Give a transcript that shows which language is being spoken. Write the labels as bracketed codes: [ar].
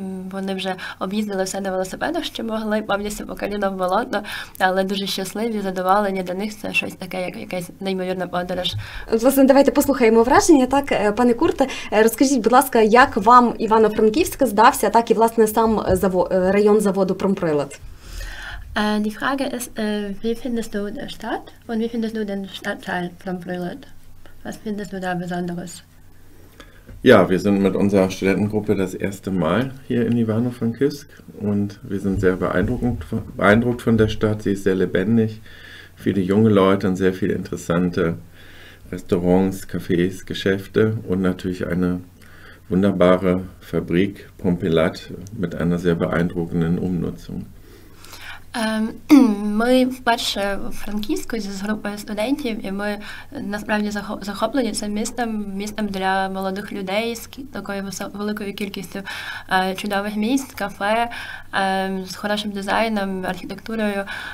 [uk] Вони вже об'їздили все на велосипедах, що могли, повністю по коліно в болото, але дуже щасливі, задоволені. Для них це щось таке, як якась неймовірна подорож. Власне, давайте послухаємо враження. Так, пане Курте, розкажіть, будь ласка, як вам Івано-Франківськ здався, так і, власне, сам район заводу «Промприлад»? [de] Die Frage ist, wie findest du die Stadt und wie findest du den Stadtteil «Промприлад»? Was findest du da besonderes? Ja, wir sind mit unserer Studentengruppe das erste Mal hier in Ivano-Frankivsk und wir sind sehr beeindruckt von der Stadt. Sie ist sehr lebendig, viele junge Leute und sehr viele interessante Restaurants, Cafés, Geschäfte und natürlich eine wunderbare Fabrik, Pompilat, mit einer sehr beeindruckenden Umnutzung. [uk] Ми вперше в Франківську з групою студентів, і ми насправді захоплені цим містом, містом для молодих людей з такою великою кількістю чудових місць, кафе, з хорошим дизайном, архітектурою.